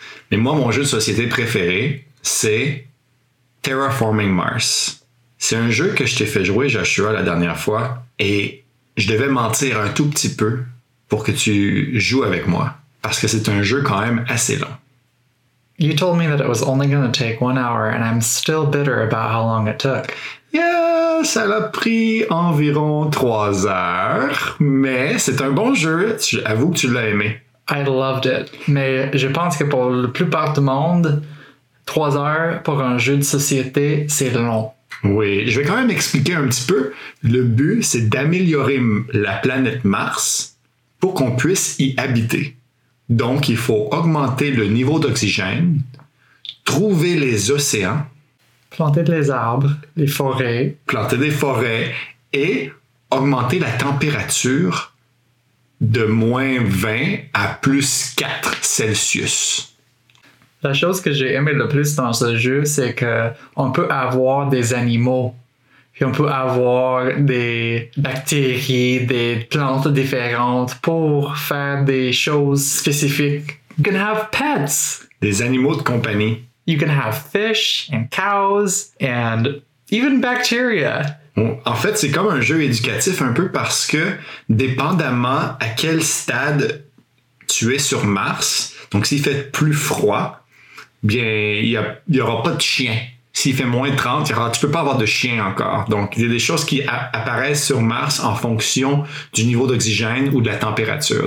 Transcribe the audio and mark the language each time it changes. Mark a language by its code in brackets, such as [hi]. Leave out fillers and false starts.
[fr] Mais moi, mon jeu de société préféré, c'est Terraforming Mars. C'est un jeu que je t'ai fait jouer, Joshua, la dernière fois, et je devais mentir un tout petit peu pour que tu joues avec moi, parce que c'est un jeu quand même assez long. [en] You told me that it was only going to take 1 hour, and I'm still bitter about how long it took. [fr] Yeah, ça l'a pris environ 3 heures, mais c'est un bon jeu, j'avoue que tu l'as aimé. [en] I loved it. [fr] Mais je pense que pour la plupart du monde, 3 heures pour un jeu de société, c'est long. Oui, je vais quand même expliquer un petit peu. Le but, c'est d'améliorer la planète Mars pour qu'on puisse y habiter. Donc, il faut augmenter le niveau d'oxygène, trouver les océans. Planter des arbres, les forêts. Planter des forêts et augmenter la température de moins 20 à plus 4 Celsius. La chose que j'ai aimé le plus dans ce jeu, c'est qu'on peut avoir des animaux, puis on peut avoir des bactéries, des plantes différentes pour faire des choses spécifiques. [en] You can have pets! [fr] Des animaux de compagnie. [en] You can have fish and cows and even bacteria. [fr] En fait, c'est comme un jeu éducatif un peu parce que dépendamment à quel stade tu es sur Mars, donc s'il fait plus froid, bien, il y aura pas de chien. S'il fait moins 30, tu peux pas avoir de chien encore. Donc, il y a des choses qui apparaissent sur Mars en fonction du niveau d'oxygène ou de la température.